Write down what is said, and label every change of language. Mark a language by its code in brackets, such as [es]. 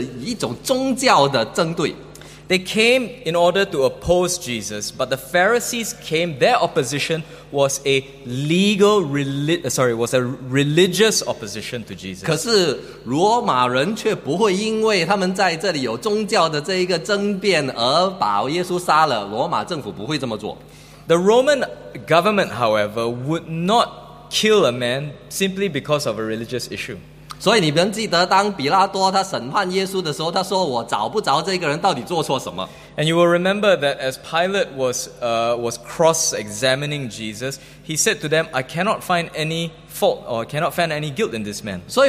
[zh] 所以他们要来的就是为了要针对耶稣。法利赛人针对耶稣是一种宗教的针对。 [en] They came in order to oppose Jesus, but the Pharisees came, their opposition was a legal, was a religious opposition to Jesus. [zh] 可是罗马人却不会因为他们在这里有宗教的这一个争辩而把耶稣杀了，罗马政府不会这么做。 [en] The Roman government, however, would not kill a man simply because of a religious issue. [zh] 所以你们记得，当比拉多他审判耶稣的时候，他说：“我找不着这个人到底做错什么。” [en] And you will remember that as Pilate was cross-examining Jesus, he said to them, "I cannot find any fault or cannot find any guilt in this man."